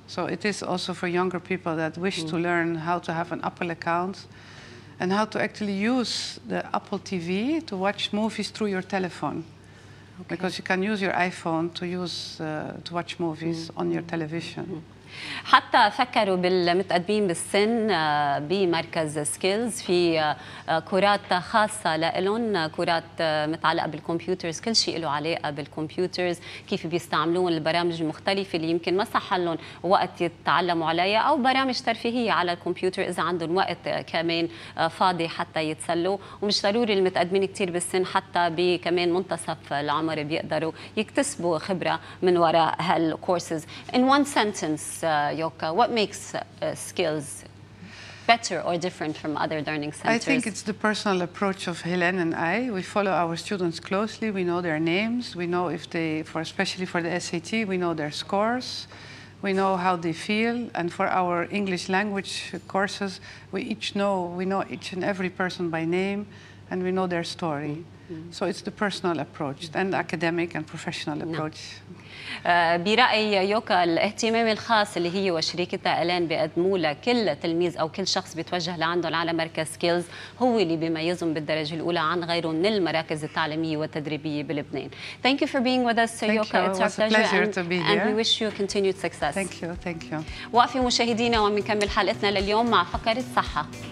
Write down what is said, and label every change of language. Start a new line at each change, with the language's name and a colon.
English: So it is also for younger people that wish to learn how to have an Apple account and how to actually use the Apple TV to watch movies through your telephone. Okay. Because you can use your iPhone to use to watch movies on your television.
Arabic: حتى فكروا بالمتقدمين بالسن بمركز سكيلز في كورات خاصة لهم، كورات متعلقة بالكمبيوترز، كل شيء له علاقة بالكمبيوترز، كيف بيستعملون البرامج المختلفة اللي يمكن ما صح لهم وقت يتعلموا عليها، أو برامج ترفيهية على الكمبيوتر إذا عندهم وقت كمان فاضي حتى يتسلوا. ومش ضروري المتقدمين كتير بالسن، حتى بكمان منتصف العمر بيقدروا يكتسبوا خبرة من وراء هالكورسز.
English: In one sentence, Yoka, what makes skills better or different from other learning centers? I think it's the personal approach of Helen and I. We follow our students closely. We know their names. We know if they, especially for the SAT, we know their scores. We know how they feel. And for our English language courses, we know each and every person by name, and we know their story. Mm-hmm. So it's the personal approach and academic and professional approach.
Arabic: برأي يوكا الاهتمام الخاص اللي هي وشريكتها ألان بيقدموه لكل تلميذ أو كل شخص بيتوجه لعندهم على مركز سكيلز هو اللي بيميزهم بالدرجة الأولى عن غيره من المراكز التعليمية والتدريبية بلبنان.
English: Thank you for being with us, Yoka. It's a pleasure to be here. And we wish you continued success. Thank you.
Arabic: وقفي مشاهدينا ومنكمل حلقتنا لليوم مع فقرة الصحة.